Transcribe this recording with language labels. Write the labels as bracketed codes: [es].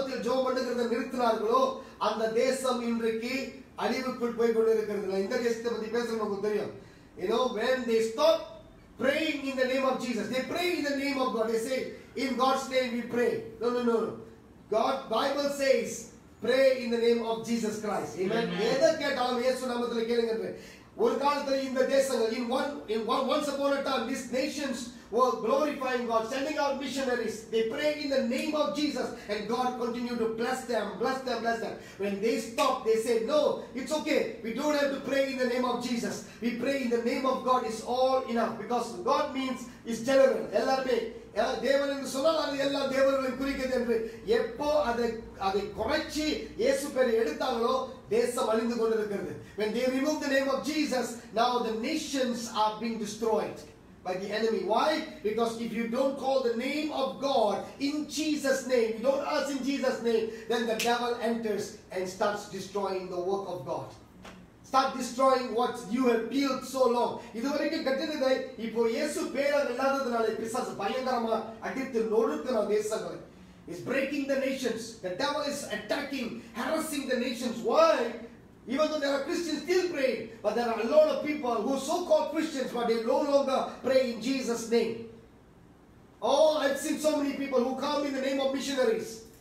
[ta] நிறுத்தினார்களோ அந்த தேசம் இன்றைக்கு அழிவுக்குள் போய் கொண்டிருக்கிறது. ஒரு காலத்தில் இந்த தேசங்கள், [en] once upon a time, these nations were glorifying God, sending out missionaries. They prayed in the name of Jesus and God continued to bless them, bless them, bless them. When they stopped, they said, no, it's okay. We don't have to pray in the name of Jesus. We pray in the name of God is all enough, because God means is general. [ta] எல்லாருமே தேவன் என்று சொன்னால் அது எல்லா தேவர்களும் குறிக்கிறது என்று. எப்போ அதை குறைச்சி இயேசு பேரை எடுத்தாங்களோ தேசம் அழிந்து கொண்டிருக்கிறது. [en] When they removed the name of Jesus, now the nations are being destroyed by the enemy. Why? Because if you don't call the name of God in Jesus' name, you don't ask in Jesus' name, then the devil enters and starts destroying the work of God. Start destroying what you have built so long. [ta] இதுவரைக்கும் கட்டினதை இப்போ இயேசு பேரால் இல்லாததுனால பிசாசு பயங்கரமா அடித்து நொறுக்கிற தேசங்களை. [en] It's breaking the nations. The devil is attacking, harassing the nations. Why? Even though there are Christians still praying, but there are a lot of people who are so-called Christians, but they no longer pray in Jesus' name. Oh, I've seen so many people who come in the name of missionaries.